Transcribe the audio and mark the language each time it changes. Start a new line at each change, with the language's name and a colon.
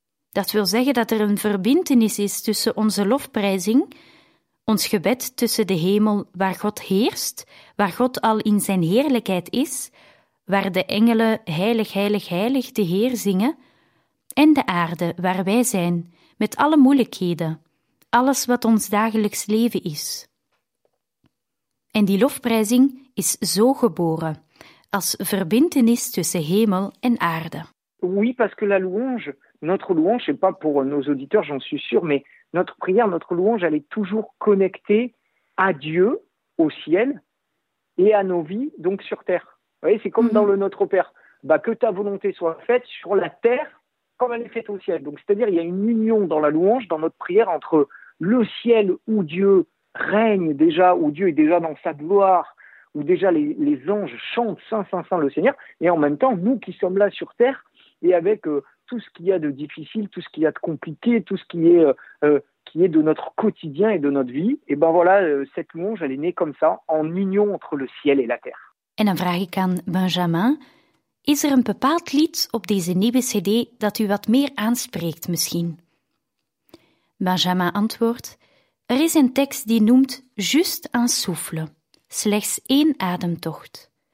Dutch: Dat wil zeggen dat er een verbintenis is tussen onze lofprijzing, ons gebed tussen de hemel waar God heerst, waar God al in zijn heerlijkheid is, waar de engelen heilig, heilig, heilig de Heer zingen, en de aarde waar wij zijn, met alle moeilijkheden. Alles wat ons dagelijks leven is. En die lofprijzing is zo geboren, als verbintenis tussen hemel en aarde.
French: Oui, parce que la louange, notre louange, c'est pas pour nos auditeurs, j'en suis sûr, mais notre prière, notre louange, elle est toujours connectée à Dieu, au ciel, et à nos vies, donc sur terre. Vous voyez, c'est comme dans le Notre Père. Bah, que ta volonté soit faite sur la terre comme elle est faite au ciel. Donc, c'est-à-dire, il y a une union dans la louange, dans notre prière, entre le ciel où Dieu règne déjà, où Dieu est déjà dans sa gloire, où déjà les anges chantent saint, saint, saint le Seigneur, et en même temps, nous qui sommes là sur terre, et avec tout ce qu'il y a de difficile, tout ce qu'il y a de compliqué, tout ce qui est de notre quotidien et de notre vie, et ben voilà, cette louange, elle est née comme ça, en union entre le ciel et la terre.
Dutch: En dan vraag ik aan Benjamin, is er een bepaald lied op deze nieuwe cd dat u wat meer aanspreekt misschien? Benjamin antwoordt, er is een tekst die noemt
French: Just un souffle,
Dutch: slechts één ademtocht.